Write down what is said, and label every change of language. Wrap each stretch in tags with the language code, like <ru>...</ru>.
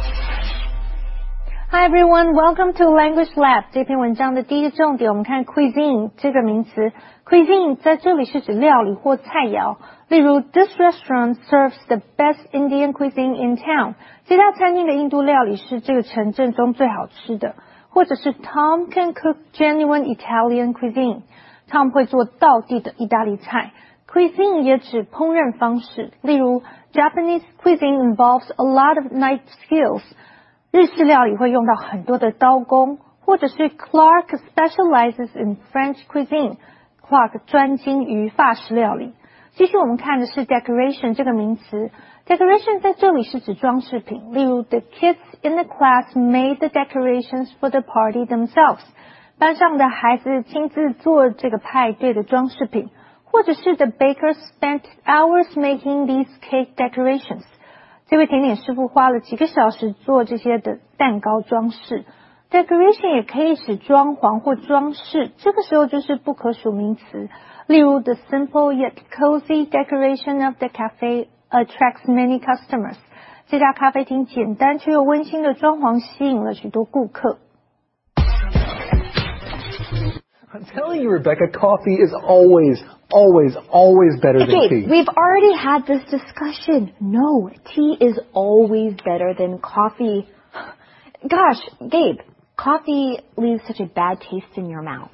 <en>Hi everyone, welcome to Language Lab.</en> <zh>这篇文章的第一个重点，我们看 cuisine 这个名词。 Cuisine 在这里是指料理或菜肴。</zh> <en>例如 ，This restaurant serves the best Indian cuisine in town.</en> <zh>这家餐厅的印度料理是这个城镇中最好吃的。或者是</zh> <en>Tom can cook genuine Italian cuisine.</en> <zh>Tom 会做道地的意大利菜。Cuisine 也指烹饪方式。</zh> <en>例如 ，Japanese cuisine involves a lot of knife skills.</en> <zh>日式料理会用到很多的刀工，或者是</zh> <en>Clark specializes in French cuisine.</en> <zh>Clark 专精于法式料理。继续我们看的是 decoration 这个名词。</zh> <en>Decoration</en> <zh>在这里是指装饰品，例如</zh> <en>The kids in the class made the decorations for the party themselves.</en> <zh>班上的孩子亲自做这个派对的装饰品，或者是</zh> <en>The baker spent hours making these cake decorations.</en> <zh>这位甜点师傅花了几个小时做这些的蛋糕装饰。 Decoration 也可以使装潢或装饰，这个时候就是不可数名词。</zh> <en>例如 ,The simple yet cozy decoration of the cafe attracts many customers.</en> <zh>这家咖啡厅简单却又温馨的装潢吸引了许多顾客。</zh> <en>I'm telling you, Rebecca, coffee is always, always, always better than tea. We've already had this discussion. No, tea is always better than coffee. Gosh, Gabe, coffee leaves such a bad taste in your mouth.</en>